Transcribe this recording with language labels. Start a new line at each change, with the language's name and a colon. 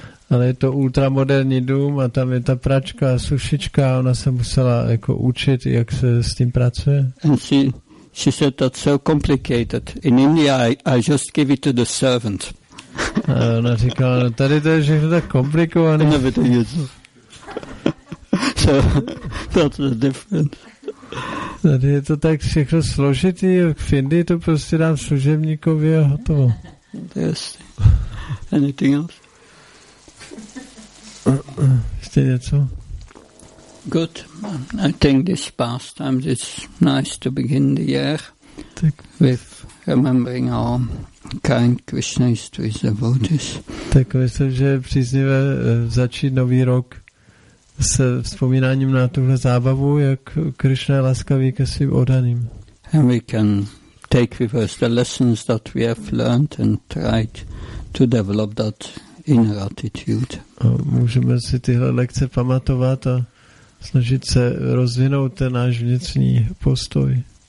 Czech: Ale je to ultramoderní dům a tam je ta pračka a sušička a ona se musela jako učit, jak se s tím pracuje.
English: And she said that's so complicated. In India I just give it to the servant.
Czech: A ona říkala, no tady to je všechno tak komplikované.
English: I never do use. So that's the difference.
Czech: Tady je to tak všechno složitý, jak v Indii to prostě dám služebníkovi a hotovo.
English: Yes. Anything else?
Czech: Ještě něco?
English: Good. I think this past time it's nice to begin the year with remembering our kind Krishna's to his devotees.
Czech: Tak myslím, že je příznivé začít nový rok se vzpomínáním na tuhle zábavu, jak Krishna je laskavý ke svým oddaným.
English: And we can take with us the lessons that we have learned and try to develop that inner attitude.
Czech: A můžeme si tyhle lekce pamatovat a snažit se rozvinout ten náš vnitřní postoj.